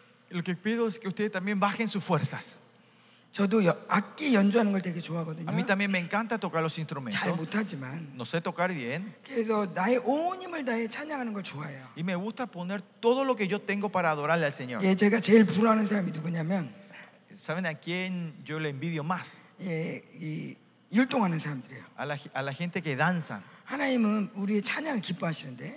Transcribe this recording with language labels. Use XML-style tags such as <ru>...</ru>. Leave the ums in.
<es>Lo que pido es que ustedes también bajen sus fuerzas.</es> <ko>저도 여, 악기 연주하는 걸 되게 좋아하거든요.</ko> <es>A mí también me encanta tocar los instrumentos.</es> <ko>잘 못하지만.</ko> <es>No sé tocar bien.</es> <ko>그래서 나의 온 힘을 다해 찬양하는 걸 좋아해요.</ko> <es>Y me gusta poner todo lo que yo tengo para adorarle al Señor.</es> <ko>예, 제가 제일 부러하는 사람이 누구냐면.</ko> <es>¿Saben a quién yo le envidio más?</es> <ko>예, 이 율동하는 사람들이요.</ko> <es>A la, a la gente que danza.</es> <ko>하나님은 우리의 찬양을 기뻐하시는데.</ko>